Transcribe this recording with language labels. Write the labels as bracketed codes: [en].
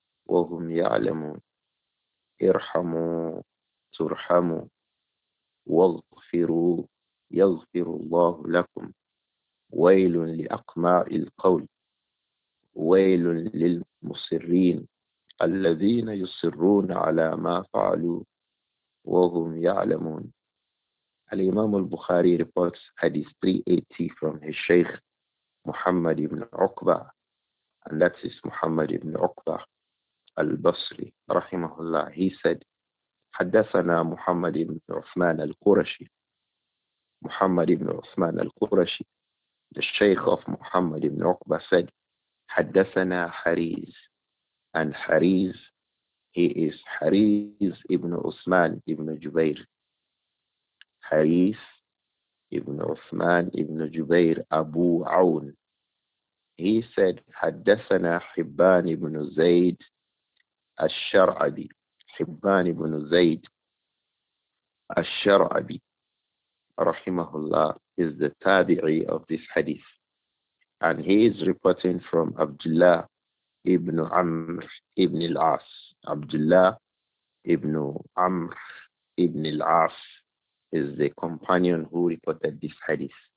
[ar] وهم يعلمون. ارحموا ترحموا واغفروا يغفر الله لكم. ويل لأقمع القول، ويل للمصرين الذين يصرون على ما فعلوا وهم يعلمون. [en] الإمام البخاري reports hadith 380 from his Shaykh Muhammad ibn Uqba, and that is Muhammad ibn Uqba al-Basri rahimahullah. He said [ar] حدثنا محمد بن عثمان القرشي. محمد بن عثمان القرشي, [en] the Shaykh of Muhammad ibn Uqba, said [ar] حدثنا حريز. And حريز, he is حريز ابن عثمان ابن جبير. حريز ابن عثمان ابن جبير أبو عون. [en] He said [ar] حدثنا حبان ابن زيد الشرعبي. حبان ابن زيد الشرعبي رحمه الله [en] is the tabi'i of this hadith. And he is reporting from Abdullah ibn Amr ibn al-As. Abdullah ibn Amr ibn al-As is the companion who reported this hadith.